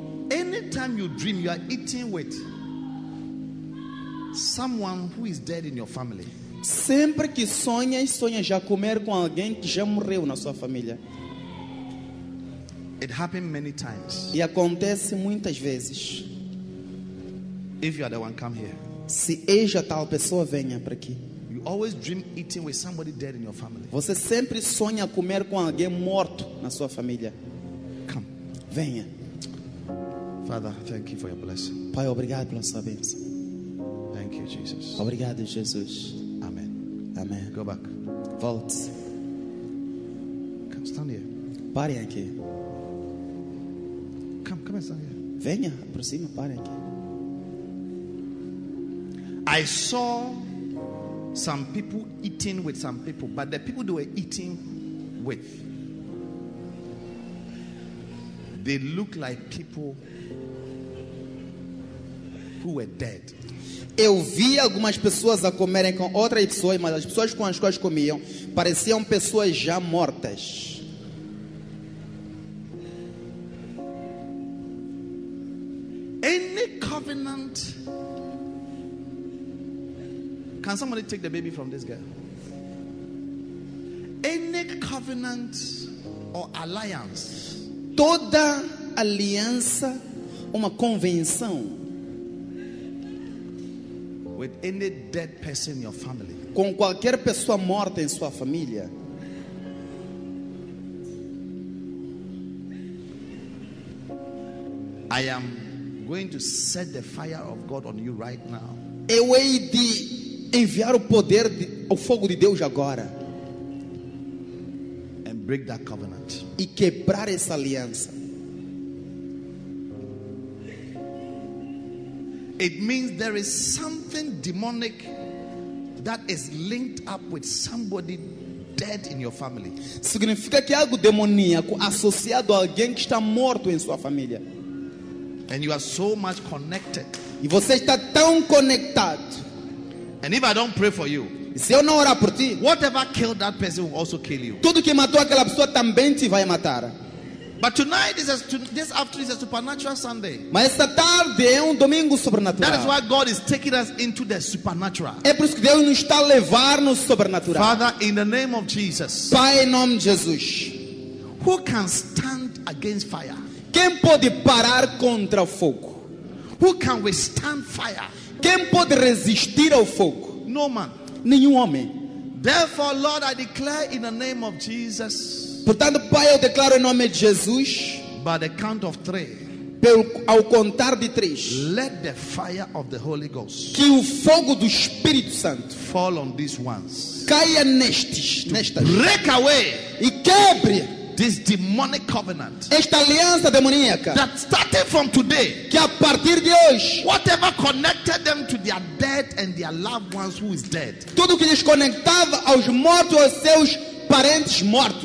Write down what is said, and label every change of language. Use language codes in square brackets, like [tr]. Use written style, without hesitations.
[en] Anytime you dream, you are eating with someone who is dead in your family. [pt] Sempre que sonhas, sonhas já comer com alguém que já morreu na sua família. [en] It happened many times. [pt] E acontece muitas vezes. [en] If you are the one, come here. [pt] Se eja tal pessoa, venha para aqui. [en] You always dream eating with somebody dead in your family. [pt] Você sempre sonha comer com alguém morto na sua família. [en] Come. [pt] Venha. [en] Father, thank you for your blessing. [pt] Pai, obrigado pela sua bênção. [en] Thank you, Jesus. [pt] Obrigado, Jesus. [en] Amen. [pt] Amen. [en] Go back. [pt] Volte. [en] Come, stand here. [pt] Pare aqui. [en] Come, come and stand here. [pt] Venha, aproxime, pare aqui. [en] I saw some people eating with some people, but the people they were eating with, they look like people who were dead. [pt] Eu vi algumas pessoas a comerem com outras pessoas, mas as pessoas com as quais comiam pareciam pessoas já mortas. [en] Any covenant? Can somebody take the baby from this girl? Any covenant or alliance? [pt] Toda aliança, uma convenção. [en] With any dead person in your family. [pt] Com qualquer pessoa morta em sua família. [en] I am going to set the fire of God on you right now. [pt] Eu hei de enviar o poder o fogo de Deus agora. [en] And break that covenant. [pt] E quebrar essa aliança. [en] It means there is something demonic that is linked up with somebody dead in your family. [pt] Significa que algo demoníaco associado a alguém que está morto em sua família. [en] And you are so much connected. [pt] E você está tão conectado. [en] And if I don't pray for you, [pt] se eu não orar por ti, [en] whatever killed that person will also kill you. [pt] Tudo que matou aquela pessoa também te vai matar. [en] But tonight is this afternoon is a supernatural Sunday. [pt] Mas esta tarde é domingo sobrenatural. [en] That is why God is taking us into the supernatural. [pt] É por isso que Deus nos está a levar no sobrenatural. [en] Father, in the name of Jesus. [pt] Pai, em nome de Jesus. [en] Who can stand against fire? [pt] Quem pode parar contra o fogo? [en] Who can withstand fire? [pt] Quem pode resistir ao fogo? [en] No man. [pt] Nenhum homem. [en] Therefore, Lord, I declare in the name of Jesus. [pt] Portanto, Pai, eu declaro em nome de Jesus. [en] By the count of three. [pt] Ao contar de três. [en] Let the fire of the Holy Ghost. [pt] Que o fogo do Espírito Santo. [en] Fall on these ones. [pt] Caia nestas. [en] Break away. [pt] E quebre. [en] This demonic covenant. [pt] Esta aliança demoníaca. [en] That started from today. [pt] Que a partir de hoje. [en] Whatever connected them to their dead and their loved ones who is dead. [pt] Tudo que lhes conectava aos mortos aos seus parentes mortos.